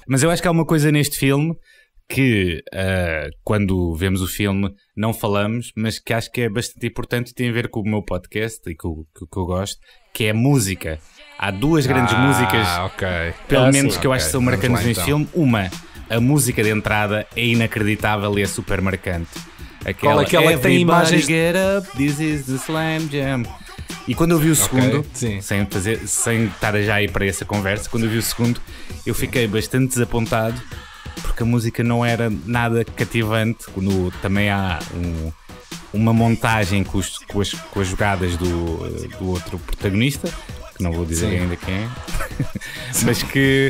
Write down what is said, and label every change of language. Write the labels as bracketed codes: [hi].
[pt] Mas eu acho que há uma coisa neste filme que, quando vemos o filme, não falamos, mas que acho que é bastante importante e tem a ver com o meu podcast e com o que eu gosto, que é a música. Há duas grandes músicas, okay. Pelo menos sim, que eu acho que são marcantes neste filme. Uma, a música de entrada é inacreditável e é super marcante. Aquela que tem imagens... [en] Get up, this is the slam jam. [pt] E quando eu vi o segundo, sem estar já aí para essa conversa, quando eu vi o segundo, eu fiquei bastante desapontado, porque a música não era nada cativante. Quando também há uma montagem com as jogadas do outro protagonista, que não vou dizer ainda quem é, mas que